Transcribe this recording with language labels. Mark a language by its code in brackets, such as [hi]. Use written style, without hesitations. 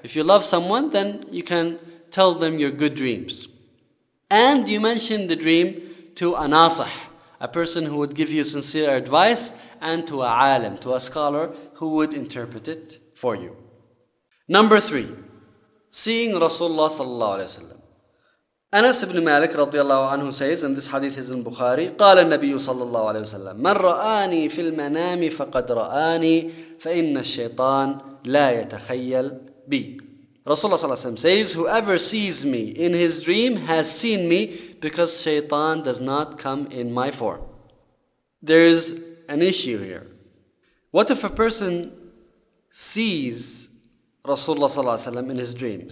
[en] If you love someone, then you can tell them your good dreams. And you mention the dream to a nasih, a person who would give you sincere advice, and to a alim, to a scholar who would interpret it for you. Number 3, seeing Rasulullah sallallahu alaihi wasallam. Anas ibn Malik radiyallahu anhu says, and this hadith is in Bukhari, [ar] قال النبي صلى الله عليه وسلم من رآني في المنام فقد رآني فإن الشيطان لا يتخيل بي. [en] Rasulullah صلى الله عليه وسلم says, whoever sees me in his dream has seen me, because shaitan does not come in my form. There is an issue here. What if a person sees Rasulullah صلى الله عليه وسلم in his dream?